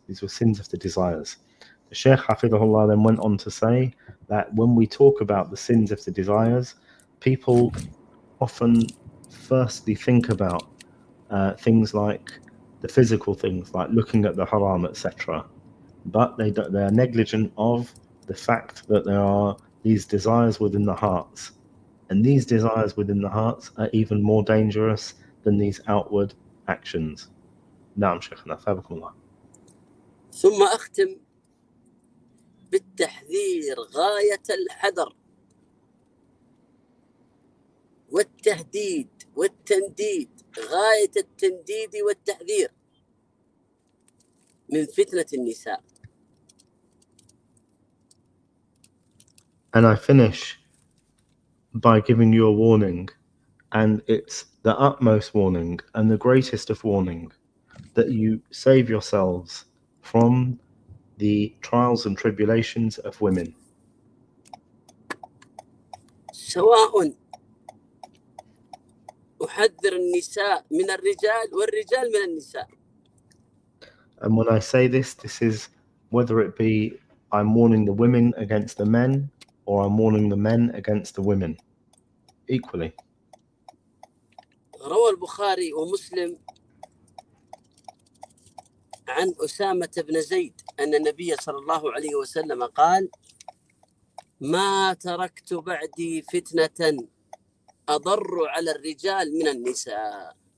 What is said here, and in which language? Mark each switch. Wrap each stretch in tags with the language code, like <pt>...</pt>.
<en>These were sins of the desires. The Shaykh Hafidhullah then went on to say that when we talk about the sins of the desires, people often firstly think about things like the physical things, like looking at the haram, etc. But they are negligent of the fact that there are these desires within the hearts. And these desires within the hearts are even more dangerous than these outward actions.</en> <ar>نعم شيخنا فابكم الله. ثم أختم بالتحذير غاية الحذر والتهديد والتنديد، غاية التنديد والتحذير من فتنة النساء.</ar> <en>And I finish by giving you a warning, and it's the utmost warning and the greatest of warning, that you save yourselves from the trials and tribulations of women.</en> <ar>سواء أحذر النساء من الرجال والرجال من النساء.</ar> <en>And when I say this, this is whether it be I'm warning the women against the men or I'm warning the men against the women, equally.</en> <ar>روى البخاري ومسلم عن أسامة بن زيد أن النبي صلى الله عليه وسلم قال: ما تركت بعدي فتنة أضر على الرجال من النساء.</ar>